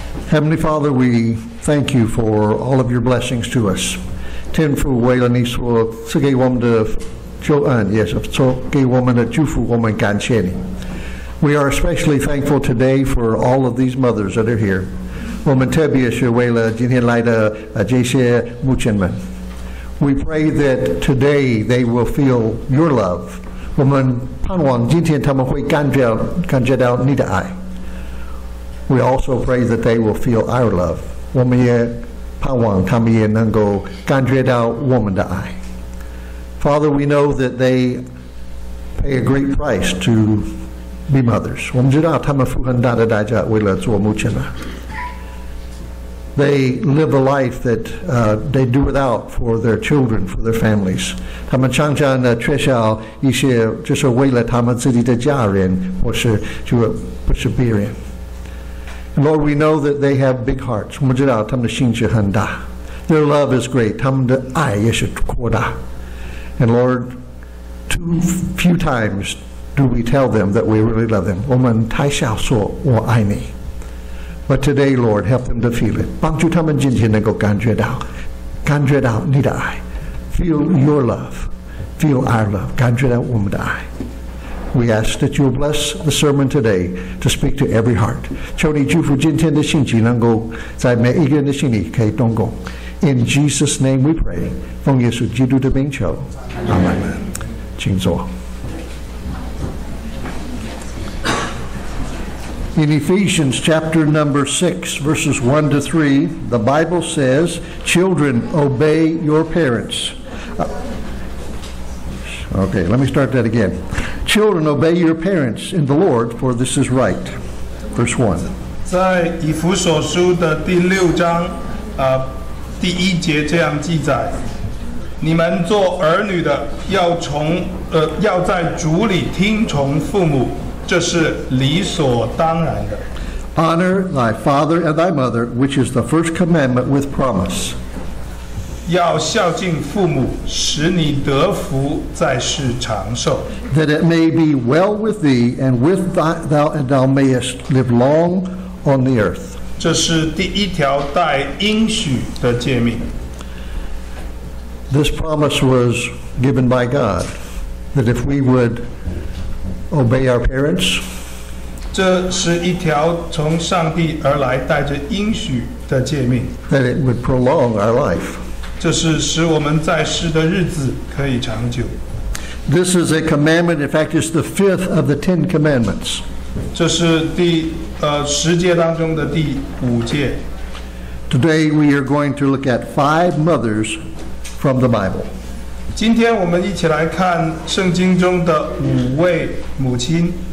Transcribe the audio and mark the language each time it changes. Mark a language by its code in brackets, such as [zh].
[en] Heavenly Father, we thank you for all of your blessings to us. [zh] 天父，为了你所赐给我们的救恩，也是所给我们的祝福，我们感谢你。 [en] We are especially thankful today for all of these mothers that are here. [zh] 我们特别是为了今天来的这些母亲们。 [en] We pray that today they will feel your love. [zh] 我们盼望今天他们会感觉到你的爱。 [en] We also pray that they will feel our love. [zh] 我们也盼望他们也能够感觉到我们的爱。 [en] Father, we know that they pay a great price to be mothers. [zh] 我们知道他们付很大的代价为了做母亲们。 [en] They live a life that they do without for their children, for their families. [zh] 他们常常缺少一些就是为了他们自己的家人或是就不是别人。 [en] And Lord, we know that they have big hearts. [zh] 我们知道他们的心是很大。 [en] Their love is great. [zh] 他们的爱也是扩大。 [en] And Lord, too few times do we tell them that we really love them. [zh] 我们太少说我爱你。 [en] But today, Lord, help them to feel it. [zh] 帮助他们今天能够感觉到你的爱。 [en] Feel your love. Feel our love. [zh] 感觉到我们的爱。 [en] We ask that you bless the sermon today to speak to every heart. [zh] 求你祝福今天的信息能够在每一个人的心里可以动工。 [en] In Jesus' name we pray. [zh] 奉耶稣基督的名求。Amen. 请坐。 [en] In Ephesians chapter number 6, verses 1 to 3, the Bible says, Children, obey your parents. Okay, let me start that again. Children, obey your parents in the Lord, for this is right. Verse 1. [zh] 在以弗所书的第六章第一节这样记载，你们做儿女的要在主里听从父母。这是理所当然的。 [en] Honor thy father and thy mother, which is the first commandment with promise. [zh] 要孝敬父母，使你得福，在世长寿。 [en] That it may be well with thee, and with thou and thou mayest live long on the earth. [zh] 这是第一条带应许的诫命。 [en] This promise was given by God, that if we would obey our parents. [zh] 这是一条从上帝而来带着应许的诫命。 [en] That it would prolong our life. [zh] 这是使我们在世的日子可以长久。 [en] This is a commandment, in fact, it's the fifth of the Ten Commandments. [zh] 这是十诫当中的第五诫。 [en] Today we are going to look at five mothers from the Bible. [zh] 今天我们一起来看圣经中的五位母亲。